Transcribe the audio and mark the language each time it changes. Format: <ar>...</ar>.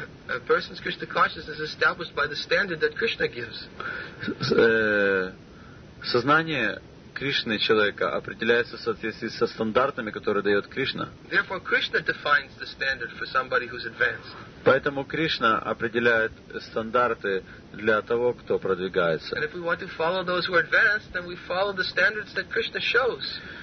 <en>A person's Krishna consciousness is established by the standard that Krishna gives.</en> <ru>Сознание Кришны человека определяется в соответствии со стандартами, которые дает Кришна.</ru> <en>Therefore, Krishna defines the standard for somebody who's advanced.</en> <ru>Поэтому Кришна определяет стандарты для того, кто продвигается.</ru> <en>And if we want to follow those who are advanced, then we follow the standards that Krishna shows.</en>